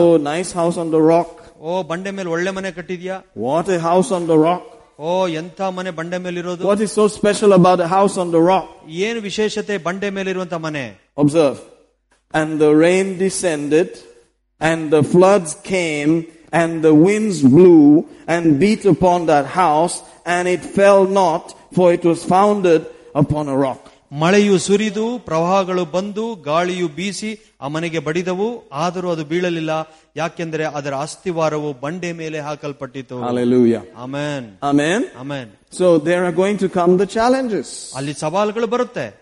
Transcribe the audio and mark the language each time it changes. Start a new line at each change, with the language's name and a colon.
English: oh nice house on the rock
Kannada: ಓ ಬಂಡೆ ಮೇಲೆ ಒಳ್ಳೆ ಮನೆ ಕಟ್ಟಿದ್ಯಾ
English: what a house on the rock
Kannada: ಓ ಎಂತ ಮನೆ ಬಂಡೆ ಮೇಲಿರೋದು
English: what is so special about the house on the rock
Kannada: ಏನು ವಿಶೇಷತೆ ಬಂಡೆ ಮೇಲಿರುವಂತಹ ಮನೆ
English: Observe and the rain descended and the floods came and the winds blew and beat upon that house, and it fell not, for it was founded upon a rock.
Kannada: ಮಳೆಯು ಸುರಿದು ಪ್ರವಾಹಗಳು ಬಂದು ಗಾಳಿಯು ಬೀಸಿ ಆ ಮನೆಗೆ ಬಡಿದವು ಆದರೂ ಅದು ಬೀಳಲಿಲ್ಲ ಯಾಕೆಂದರೆ ಅದರ ಅಸ್ತಿವಾರವು ಬಂಡೆ ಮೇಲೆ ಹಾಕಲ್ಪಟ್ಟಿತು hallelujah amen amen amen
English: so there are going to come the challenges
Kannada: ಅಲ್ಲಿ ಸವಾಲುಗಳು ಬರುತ್ತೆ